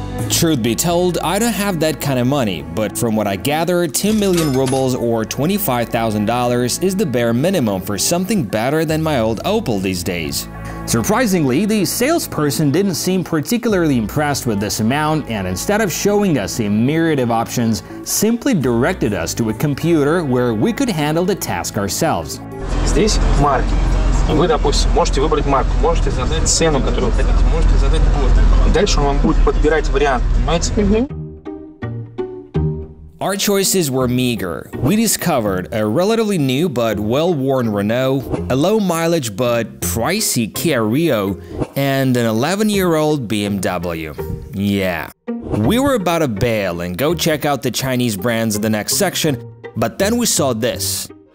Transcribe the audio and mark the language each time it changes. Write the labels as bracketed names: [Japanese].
[English] Truth be told, I don't have that kind of money, but from what I gather, 10 million rubles, or $25,000, is the bare minimum for something better than my old Opel these days. Surprisingly, the salesperson didn't seem particularly impressed with this amount and instead of showing us a myriad of options, simply directed us to a computer where we could handle the task ourselves. [Russian] Здесь марки. Вы, допустим, можете выбрать марку, можете задать цену, которую вы хотите, можете задать год. Дальше он вам будет подбирать вариант, понимаете? [English] Our choices were meager. We discovered a relatively new but well-worn Renault, a low-mileage but pricey Kia Rio, and an 11-year-old BMW. Yeah. We were about to bail and go check out the Chinese brands in the next section, but then we saw this.